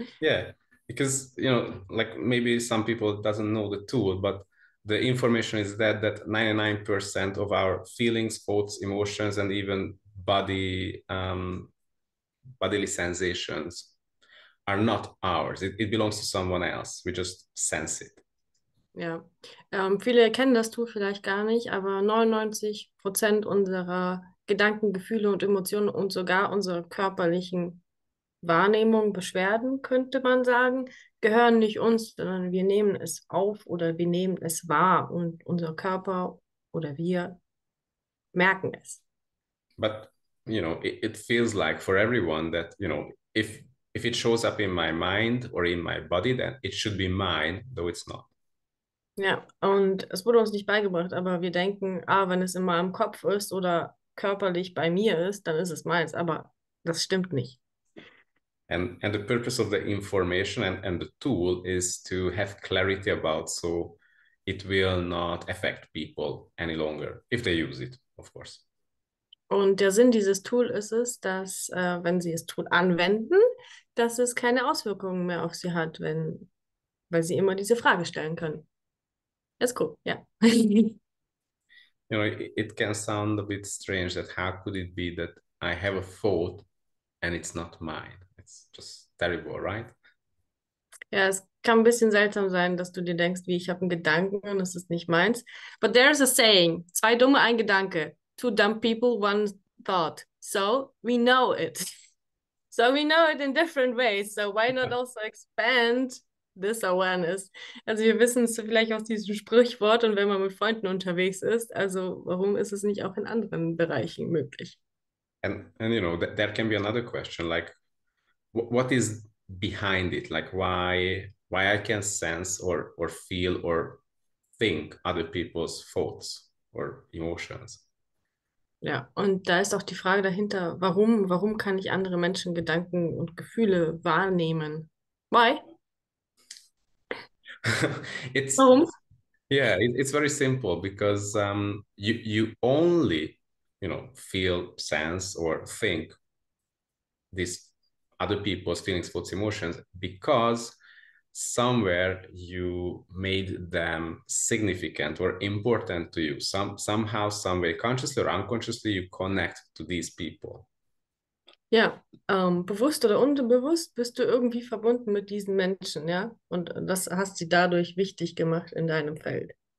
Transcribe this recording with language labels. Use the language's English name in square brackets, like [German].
[English] Yeah, because like maybe some people doesn't know the tool, but the information is that 99% of our feelings, thoughts, emotions, and even bodily sensations are not ours. It belongs to someone else. We just sense it. [German] Ja, viele kennen das Tool vielleicht gar nicht, aber 99% unserer Gedanken, Gefühle und Emotionen und sogar unsere körperlichen Wahrnehmungen, Beschwerden, könnte man sagen, gehören nicht uns, sondern wir nehmen es auf oder wir nehmen es wahr und unser Körper oder wir merken es. [English] But it feels like for everyone that if it shows up in my mind or in my body, then it should be mine, though it's not. [German] Ja, und es wurde uns nicht beigebracht, aber wir denken, ah, wenn es in meinem Kopf ist oder körperlich bei mir ist, dann ist es meins, aber das stimmt nicht. [English] And the purpose of the information and the tool is to have clarity about so it will not affect people any longer, if they use it, of course. [German] Und der Sinn dieses Tools ist es, dass, wenn Sie es tun, anwenden, dass es keine Auswirkungen mehr auf Sie hat, wenn, weil Sie immer diese Frage stellen können. Ist cool, ja. Yeah. [English] It can sound a bit strange that how could it be that I have a thought and it's not mine? It's just terrible, right? [German] Ja, es kann ein bisschen seltsam sein, dass du dir denkst, wie ich habe einen Gedanken und es ist nicht meins. [English] But there is a saying, [German] zwei Dumme, ein Gedanke. [English] Two dumb people, one thought. So we know it. So we know it in different ways. So why not also expand this awareness? [German] Also wir wissen es vielleicht aus diesem Sprichwort und wenn man mit Freunden unterwegs ist, also warum ist es nicht auch in anderen Bereichen möglich? [English] And there can be another question, like what is behind it? Like why I can sense or feel or think other people's thoughts or emotions? [German] Ja, und da ist auch die Frage dahinter, warum kann ich andere Menschen Gedanken und Gefühle wahrnehmen? [English] Why? It's [German] Warum? [English] yeah, it's very simple because you only feel, sense, or think these other people's feelings, thoughts, emotions, because somewhere you made them significant or important to you. Somehow, some way, consciously or unconsciously, you connect to these people. [German] Ja, bewusst oder unbewusst bist du irgendwie verbunden mit diesen Menschen, ja? Und das hast sie dadurch wichtig gemacht in deinem Feld.